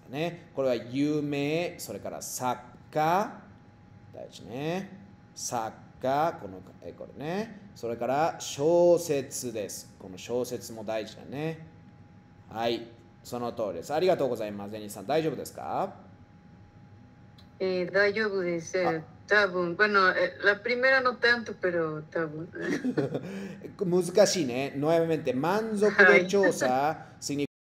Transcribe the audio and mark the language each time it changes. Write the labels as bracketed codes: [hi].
[ja] ね、これは有名、それから作家、大事ね。作家、この、これね。それから小説です。この小説も大事だね。はい、その通りです。ありがとうございます。ゼニーさん、大丈夫ですか？大丈夫です。 [es] 多分、bueno, la primera no tanto, pero 多分。 [ja] 難しいね。nuevamente、満足度調査、はい、significa